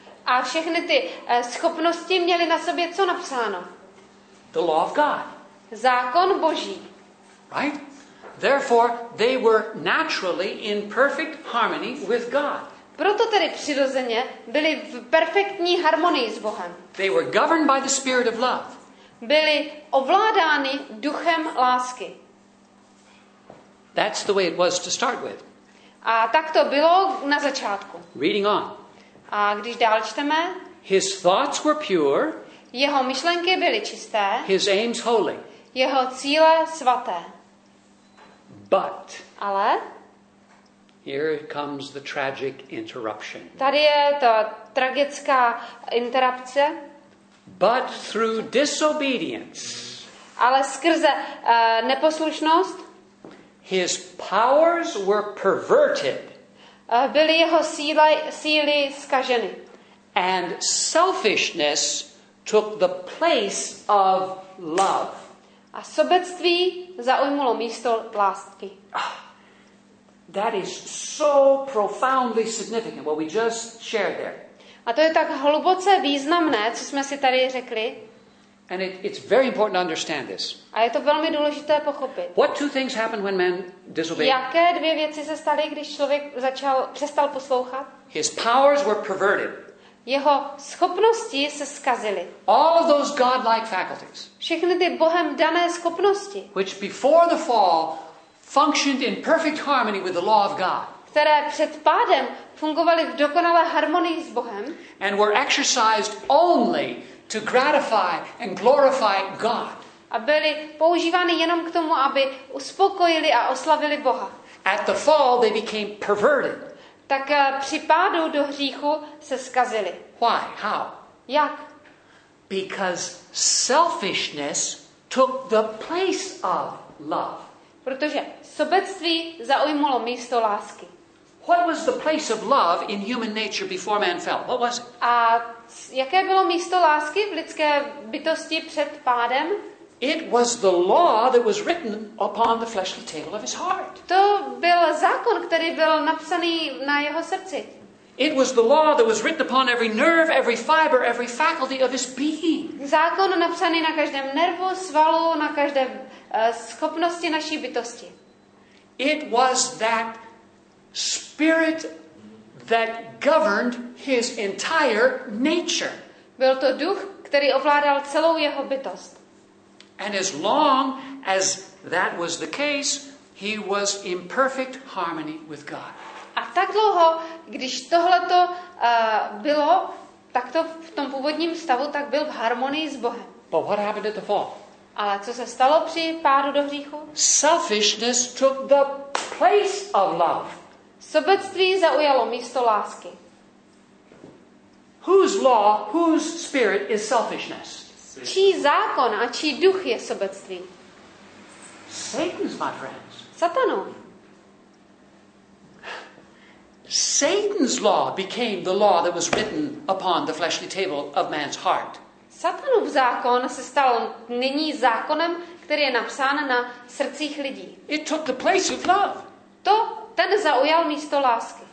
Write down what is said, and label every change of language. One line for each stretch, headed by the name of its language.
Czech: A všechny ty schopnosti měly na sobě co napsáno?
English: The law of God.
Czech: Zákon Boží.
English: Right? Therefore, they were naturally in perfect harmony with God.
Czech: Proto tedy přirozeně byli v perfektní harmonii s Bohem.
English: They were governed by the spirit of love.
Czech: Byli ovládány duchem lásky.
English: That's the way it was to start with.
Czech: A tak to bylo na začátku.
English: Reading on.
Czech: A když dál čteme?
English: His thoughts were pure.
Czech: Jeho myšlenky byly čisté.
English: His aims holy.
Czech: Jeho cíle svaté.
English: But.
Czech: Ale.
English: Here comes the tragic interruption.
Czech: Tady je ta tragická interrupce.
English: But through disobedience.
Czech: Ale skrze neposlušnost.
English: His powers were perverted.
Czech: Byly jeho síly zkaženy.
English: And selfishness took the place of love.
Czech: A sobectví zaujmulo místo lásky.
English: That is so profoundly significant what we just shared there.
Czech: A to je tak hluboce významné, co jsme si tady řekli.
English: And it's very important to understand this.
Czech: A je to velmi důležité pochopit.
English: What two things happened when man disobeyed?
Czech: Jaké dvě věci se staly, když člověk začal přestal poslouchat?
English: His powers were perverted.
Czech: Jeho schopnosti se zkazily.
English: All of those godlike faculties.
Czech: Všechny ty Bohem dané schopnosti.
English: Which before the fall functioned in perfect harmony with the law of God.
Czech: Které před pádem fungovaly v dokonalé harmonii s Bohem.
English: And were exercised only to gratify and glorify God.
Czech: A byly používány jenom k tomu, aby uspokojili a oslavili Boha.
English: At the fall they became perverted.
Czech: Tak při pádu do hříchu se zkazili.
English: Why? How?
Czech: Jak?
English: Because selfishness took the place of love.
Czech: Protože sobectví zaujmulo místo lásky.
English: What was the place of love in human nature before man fell? What was it?
Czech: A jaké bylo místo lásky v lidské bytosti před pádem?
English: It was the law that was written upon the fleshly table of his heart.
Czech: To byl zákon, který byl napsaný na jeho srdci.
English: It was the law that was written upon every nerve, every fiber, every faculty of his being.
Czech: Zákon napsaný na každém nervu, svalu, na každé schopnosti naší bytosti.
English: It was that spirit that governed his entire nature.
Czech: Byl to duch, který ovládal celou jeho bytost.
English: And as long as that was the case, he was in perfect harmony with God.
Czech: A tak dlouho, když tohleto bylo, tak to v tom původním stavu, tak byl v harmonii s Bohem.
English: But what happened at the fall?
Czech: Ale co se stalo při pádu do hříchu?
English: Selfishness took the place of love.
Czech: Sobectví zaujalo místo lásky.
English: Whose law, whose spirit is selfishness?
Czech: Čí zákon a čí duch je sobectví?
English: Satan's, my friends.
Czech: Satanův.
English: Satan's law became the law that was written upon the fleshly table of man's heart.
Czech: Satanův zákon se stal nyní zákonem, který je napsán na srdcích lidí.
English: It took the place of love.
Czech: To ten zaujal místo lásky.